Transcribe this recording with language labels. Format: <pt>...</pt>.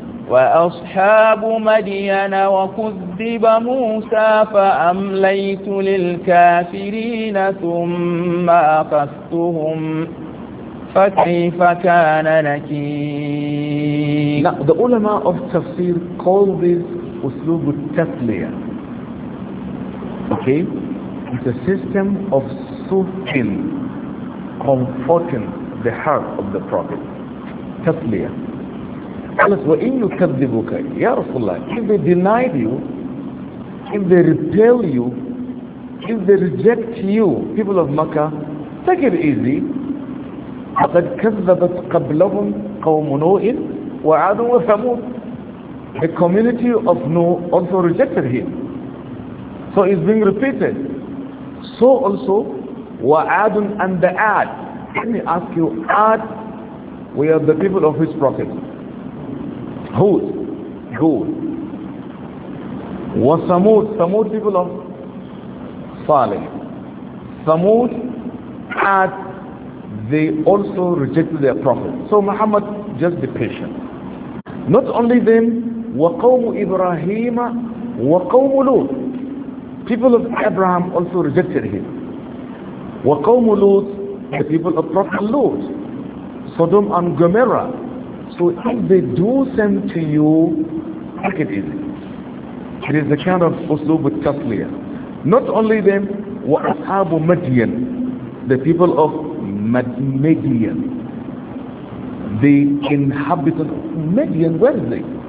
<ar>وأصحاب مدين وكذب موسى فأمليت للكافرين ثم أخذتهم فكيف كان نكير.</ar> <en>Now, the ulama of tafsir call this</en> <ar>أسلوب التثلية.</ar> <en>Okay? It's a system of soothing, comforting the heart of the Prophet.</en> <ar>تثلية.</ar> <en>Allah says,</en> <ar>وَإِن يُكَذِّبُكَ يَا رَسُولَ اللَّهِ.</ar> <en>If they denied you, if they repel you, if they reject you, people of Makkah, take it easy.</en> <ar>لَقَدْ كَذَّبَتْ قَبْلَهُمْ قَوْمُ نُوحٍ وَعَادٌ وَثَمُودٌ.</ar> <en>The community of Nuh also rejected him. So it's being repeated. So also,</en> <ar>وَعَادٌ</ar> <en>and the Ad. Let me ask you, Ad, we are the people of his prophet. Hud, good. Was Samud, Samud people of Saleh. Samud had, they also rejected their prophet. So Muhammad, just be patient. Not only them,</en> <ar>وقوم إبراهيم وقوم لوط.</ar> <en>People of Abraham also rejected him.</en> <ar>وقوم لوط,</ar> <en>the people of Prophet Lut, Sodom and Gomorrah. So if they do send to you, take it easy. It is the kind of uslub with tasliya. Not only them,</en> <ar>wa ashabu Madian,</ar> <en>the people of Madian, the inhabitants of Madian, where is they?</en>